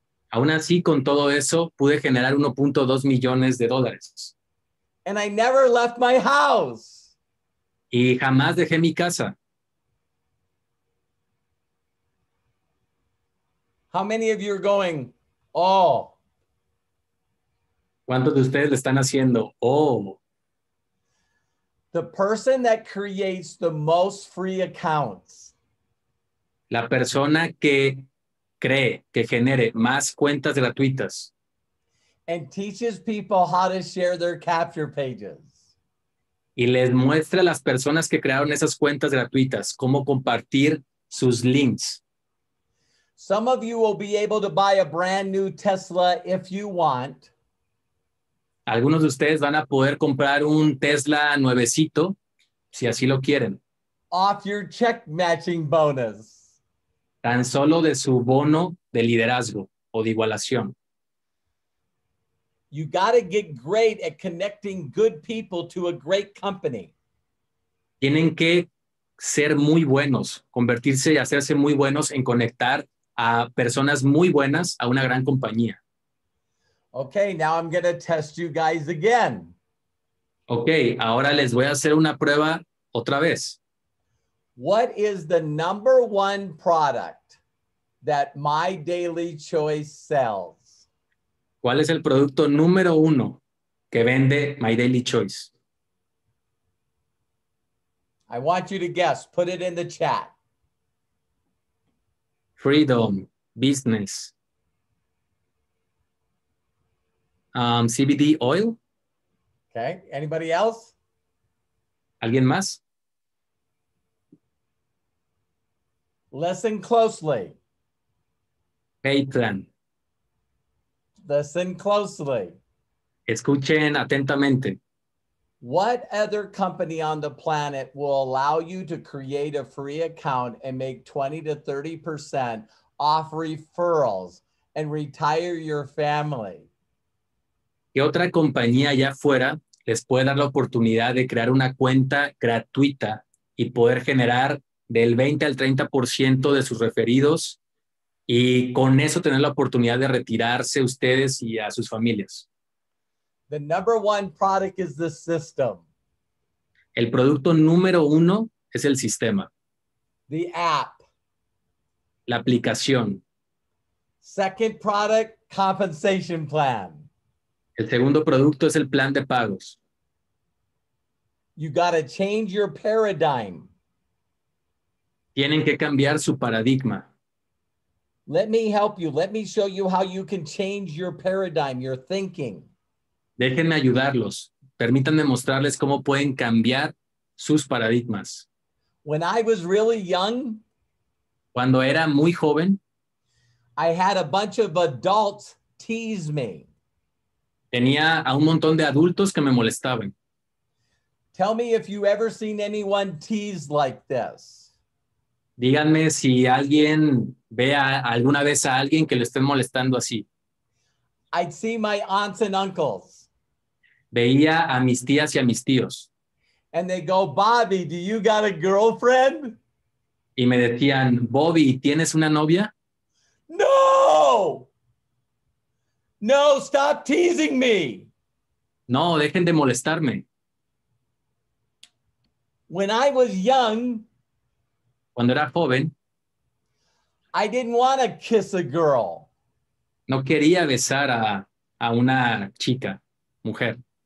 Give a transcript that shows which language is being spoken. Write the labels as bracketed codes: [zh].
[es] Aún así, con todo eso, pude generar 1.2 millones de dólares. [en] And I never left my house. [es] Y jamás dejé mi casa. [en] How many of you are going, oh? [es] ¿Cuántos de ustedes le están haciendo, oh? [en] The person that creates the most free accounts. [es] La persona que cree que genere más cuentas gratuitas. [en] And teaches people how to share their capture pages. [es] Y les muestra a las personas que crearon esas cuentas gratuitas cómo compartir sus links. [en] Some of you will be able to buy a brand new Tesla if you want. [es] Algunos de ustedes van a poder comprar un Tesla nuevecito, si así lo quieren. [en] Off your check matching bonus. [es] Tan solo de su bono de liderazgo o de igualación. [en] You got to get great at connecting good people to a great company. [es] Tienen que ser muy buenos, convertirse y hacerse muy buenos en conectar a personas muy buenas a una gran compañía. [en] Okay, now I'm going to test you guys again. [es] Okay, ahora les voy a hacer una prueba otra vez. [en] What is the number one product that My Daily Choice sells? [es] ¿Cuál es el producto número uno que vende My Daily Choice? [en] I want you to guess. Put it in the chat. Freedom, business. CBD oil. Okay. Anybody else? [es] ¿Alguien más? [en] Listen closely. Patreon. Listen closely. [es] Escuchen atentamente. [en] What other company on the planet will allow you to create a free account and make 20 to 30% off referrals and retire your family? [es] ¿Qué otra compañía allá afuera les puede dar la oportunidad de crear una cuenta gratuita y poder generar del 20 al 30% de sus referidos? Y con eso tener la oportunidad de retirarse ustedes y a sus familias. [en] The number one product is the system. [es] El producto número uno es el sistema. [en] The app. [es] La aplicación. [en] Second product, compensation plan. [es] El segundo producto es el plan de pagos. [en] You gotta change your paradigm. [es] Tienen que cambiar su paradigma. [en] Let me help you. Let me show you how you can change your paradigm, your thinking. [es] Déjenme ayudarlos. Permítanme mostrarles cómo pueden cambiar sus paradigmas. [en] When I was really young, [es] cuando era muy joven, [en] I had a bunch of adults tease me. [es] Tenía a un montón de adultos que me molestaban. [en] Tell me if you ever seen anyone tease like this. [es] Díganme si alguien ve a, alguna vez a alguien que lo esté molestando así. [en] I'd see my aunts and uncles. [es] Veía a mis tías y a mis tíos. [en] And they go, Bobby, do you got a girlfriend? [es] Y me decían, Bobby, ¿tienes una novia? [en] No! No, stop teasing me. [es] No, dejen de molestarme. [en] When I was young, [es] cuando era joven, [en] I didn't want to kiss a girl. [es] No quería besar a una chica, mujer.